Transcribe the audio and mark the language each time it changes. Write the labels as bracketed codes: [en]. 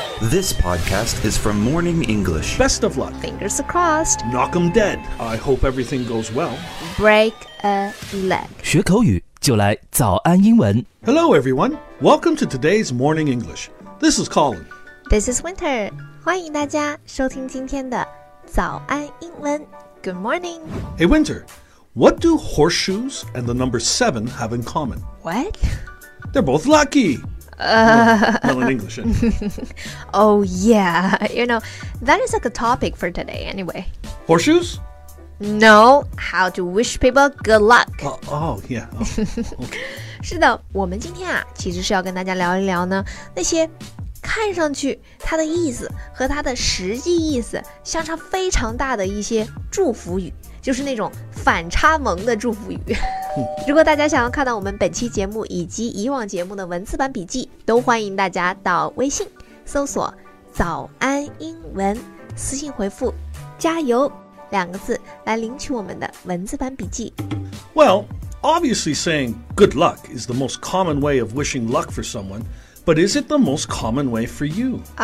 [en] This podcast is from Morning English. Best of luck. Fingers crossed. Knock 'em dead. I hope everything goes well. Break a leg. [zh] 学口语就来早安英文。 [en] Hello, everyone. Welcome to today's Morning English. This is Colin. This is Winter. [zh] 欢迎大家收听今天的早安英文。 [en] Good morning. Hey, Winter. What do horseshoes and the number 7 have in common? What? They're both lucky. Well, in English. Oh, yeah. You know, that is like a topic for today anyway. Horseshoes? No, how to wish people good luck. Oh, yeah. Okay. [zh] 是的，我们今天啊，其实是要跟大家聊一聊呢，那些看上去它的意思和它的实际意思相差非常大的一些祝福语，就是那种反差萌的祝福语。如果大家想要看到我们本期节目以及以往节目的文字版笔记，都欢迎大家到微信搜索早安英文，私信回复加油两个字来领取我们的文字版笔记。 [en] Well, obviously saying good luck is the most common way of wishing luck for someone, but is it the most common way for you?